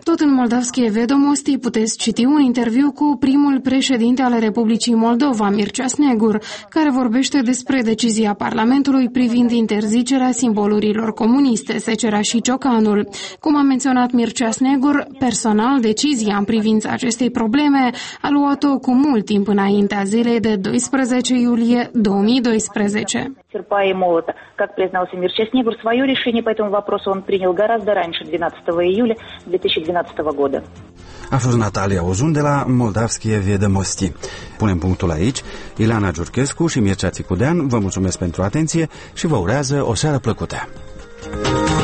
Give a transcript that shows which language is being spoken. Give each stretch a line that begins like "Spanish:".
Romanian: Tot în Moldavskie Vedomosti puteți citi un interviu cu primul președinte al Republicii Moldova, Mircea Snegur, care vorbește despre decizia Parlamentului privind interzicerea simbolurilor comuniste, secera și ciocanul. Cum a menționat Mircea Snegur, personal, decizia în privința acestei probleme a luat-o cu mult timp înaintea zilei de 12 iulie 2012.
Russian: Черпая молота. Как признался Мирча Снегур, свое решение по этому вопросу он принял гораздо раньше, 12 июля 2012 года.
Romanian: A fost Natalia Ozun de la Moldavskie Vedomosti. Punem punctul aici. Ileana Giurchescu și Mircea Țicudean vă mulțumesc pentru atenție și vă urează o seară plăcută.